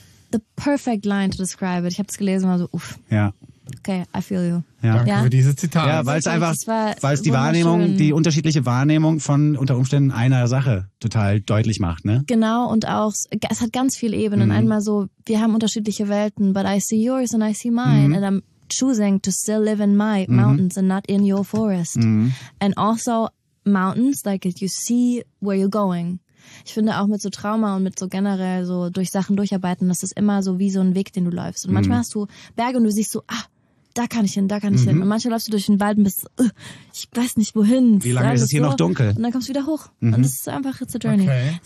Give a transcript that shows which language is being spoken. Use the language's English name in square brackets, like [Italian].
[English] The perfect line to describe it. [German] Ich habe es gelesen und war so, uff. Ja. [English] Okay, I feel you. [German] Ja. Danke für diese Zitate. Ja, weil es einfach, weil es die Wahrnehmung, die unterschiedliche Wahrnehmung von unter Umständen einer Sache total deutlich macht, ne? Genau, und auch, es hat ganz viele Ebenen. Mhm. Einmal so, wir haben unterschiedliche Welten, [English] but I see yours and I see mine. And I'm choosing to still live in my mountains and not in your forest. And also mountains, like you see where you're going. [German] Ich finde auch mit so Trauma und mit so generell so durch Sachen durcharbeiten, das ist immer so wie so ein Weg, den du läufst. Und manchmal hast du Berge und du siehst so, ah, da kann ich hin, da kann ich hin. Und manchmal läufst du durch den Wald und bist, ich weiß nicht wohin. Wie lange ist es hier noch dunkel? Und dann kommst du wieder hoch. Und das ist einfach, [English] it's a journey. [German] Okay.